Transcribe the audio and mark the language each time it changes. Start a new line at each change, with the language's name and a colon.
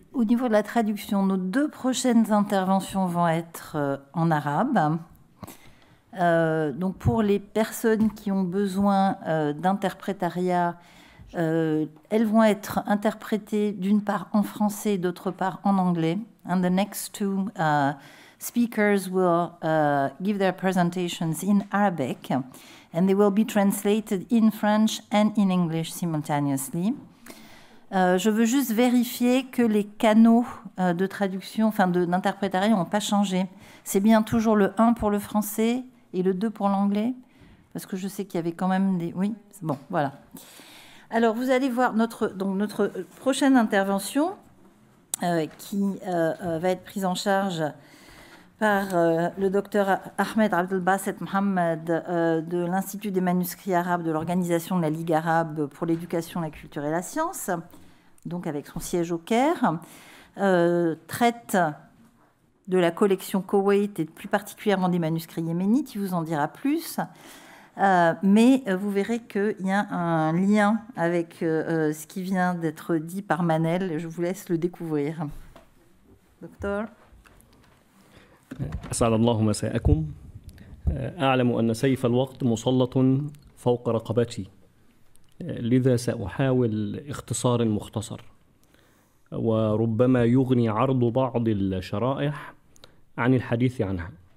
French: Au niveau de la traduction, nos deux prochaines interventions vont être en arabe. Donc pour les personnes qui ont besoin d'interprétariat, elles vont être interprétées d'une part en français, d'autre part en anglais.
English: And the next two speakers will give their presentations in Arabic. And they will be translated in French and in English simultaneously.
French: Je veux juste vérifier que les canaux de traduction, enfin d'interprétariat, n'ont pas changé. C'est bien toujours le 1 pour le français et le 2 pour l'anglais, parce que je sais qu'il y avait quand même des... Oui, c'est bon, voilà. Alors, vous allez voir notre prochaine intervention qui va être prise en charge par le docteur Ahmed Abdelbasset Mohamed de l'Institut des manuscrits arabes de l'Organisation de la Ligue arabe pour l'éducation, la culture et la science, donc avec son siège au Caire, traite de la collection Koweït et plus particulièrement des manuscrits yéménites, il vous en dira plus. Mais vous verrez qu'il y a un lien avec ce qui vient d'être dit par Manel. Je vous laisse le découvrir. Docteur.
Arabic: أسعد الله مساءكم أعلم أن سيف الوقت مسلط فوق رقبتي لذا سأحاول اختصار مختصر وربما يغني عرض بعض الشرائح عن الحديث عنها